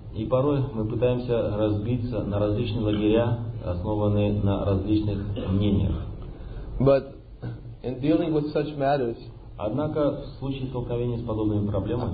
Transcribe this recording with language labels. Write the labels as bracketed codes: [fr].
[ru] И порой мы пытаемся разбиться на различные лагеря, основанные на различных мнениях. [en] But in dealing with such matters, [ru] однако в случае столкновения с подобными проблемами,